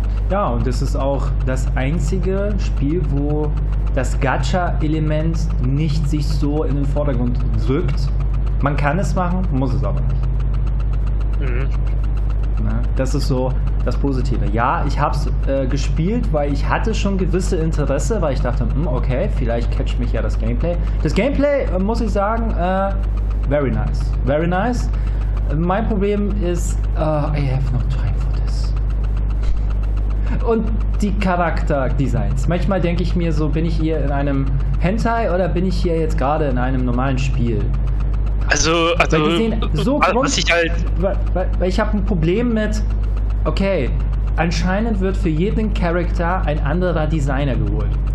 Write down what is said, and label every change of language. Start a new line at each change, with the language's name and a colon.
German: Ja, und das ist auch das einzige Spiel, wo das Gacha-Element nicht sich so in den Vordergrund drückt. Man kann es machen, muss es aber nicht. Mhm. Na, das ist so das Positive. Ja, ich habe es gespielt, weil ich hatte schon gewisse Interesse, weil ich dachte, okay, vielleicht catcht mich ja das Gameplay. Das Gameplay, muss ich sagen,
English: very nice. Very nice.
German: Mein Problem ist,
English: I have no time for this.
German: Und die Charakterdesigns. Manchmal denke ich mir so, bin ich hier in einem Hentai oder bin ich hier jetzt gerade in einem normalen Spiel? Also weil die sehen so was ich halt. Weil ich habe ein Problem mit, okay, anscheinend wird für jeden Charakter ein anderer Designer geholt.